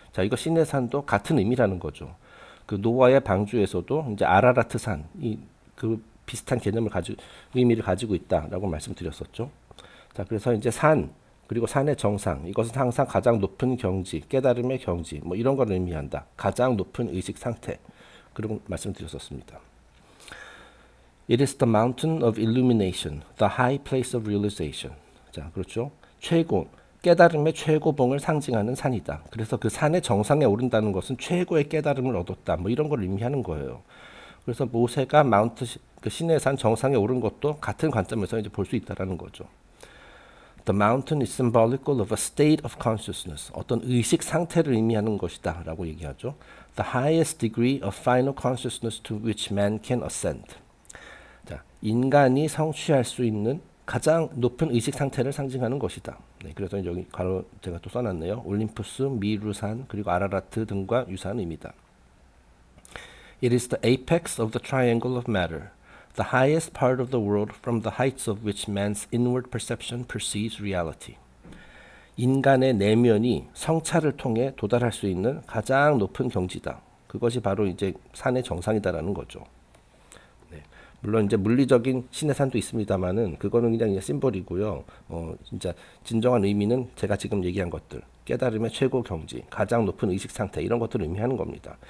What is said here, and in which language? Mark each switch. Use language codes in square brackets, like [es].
[ko] 자, 이거 시내 산도 같은 의미라는 거죠. 그 노아의 방주에서도 이제 아라라트 산, 그 비슷한 개념을 가지고, 의미를 가지고 있다라고 말씀드렸었죠. 자, 그래서 이제 산, 그리고 산의 정상, 이것은 항상 가장 높은 경지, 깨달음의 경지, 뭐 이런 걸 의미한다. 가장 높은 의식 상태. 그런 말씀 드렸었습니다. [en] It is the mountain of illumination, the high place of realization. [ko] 자, 그렇죠? 최고, 깨달음의 최고봉을 상징하는 산이다. 그래서 그 산의 정상에 오른다는 것은 최고의 깨달음을 얻었다. 뭐 이런 걸 의미하는 거예요. 그래서 모세가 그 시내 산 정상에 오른 것도 같은 관점에서 이제 볼수 있다라는 거죠. [en] The mountain is symbolical of a state of consciousness. [ko] 어떤 의식 상태를 의미하는 것이다 라고 얘기하죠. [en] The highest degree of final consciousness to which man can ascend. [ko] 자, 인간이 성취할 수 있는 가장 높은 의식 상태를 상징하는 것이다. 네, 그래서 여기 괄호 제가 또 써놨네요. 올림푸스, 미루산, 그리고 아라라트 등과 유사한 의미다. [en] It is the apex of the triangle of matter, the highest part of the world from the heights of which man's inward perception perceives reality. [ko] 인간의 내면이 성찰을 통해 도달할 수 있는 가장 높은 경지다. 그것이 바로 이제 산의 정상이다라는 거죠. 물론 이제 물리적인 신의 산도 있습니다만은 그거는 그냥 심볼이고요. 진짜 진정한 의미는 제가 지금 얘기한 것들, 깨달음의 최고 경지, 가장 높은 의식 상태 이런 것들을 의미하는 겁니다.